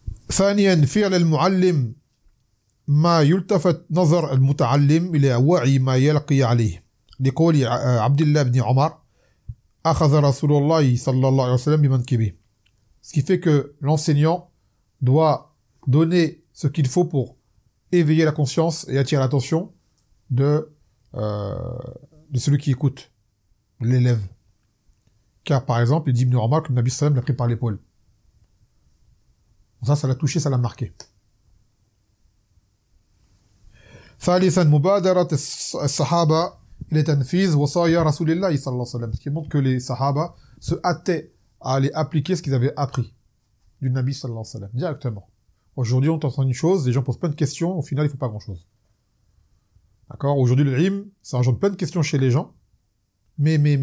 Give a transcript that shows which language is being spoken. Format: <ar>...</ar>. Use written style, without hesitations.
<ar>ثانيا فعل المعلم ما يلتفت نظر المتعلم إلى وعي ما يلقي عليه لقول عبد الله بن عمر أخذ رسول الله صلى الله عليه وسلم بمنكبه.</ar> <fr>Ce qui fait que l'enseignant doit donner ce qu'il faut pour éveiller la conscience et attirer l'attention de celui qui écoute, l'élève. Car par exemple, il dit Ibn Omar que le Nabi Salam l'a pris par l'épaule. Ça, ça l'a touché, ça l'a marqué.</fr> <ar>ثالثا مبادرة الصحابة لتنفيذ وصايا رسول الله صلى الله عليه وسلم.</ar> <fr>Ce qui montre que les Sahaba se hâtaient à aller appliquer ce qu'ils avaient appris du Nabi</fr> <ar>صلى الله عليه وسلم</ar> <fr>directement. Aujourd'hui, on t'entend une chose, les gens posent plein de questions, au final, ils font pas grand chose. D'accord? Aujourd'hui, le rime, ça engendre plein de questions chez les gens. Mais.</fr>